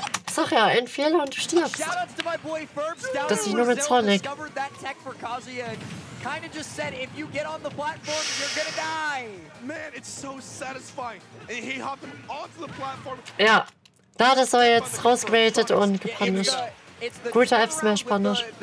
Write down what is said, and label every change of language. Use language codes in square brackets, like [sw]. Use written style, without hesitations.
[de] Sag ja, ein Fehler und du stirbst. Das ist nur mit Sonic. [en] Kinda just said, if you get on the platform, you're gonna die. Man, it's so satisfying. And he hopped onto the platform. [de] Ja. Da hat es aber jetzt rausgewählt und gepunished. Guter F-Smash Punish.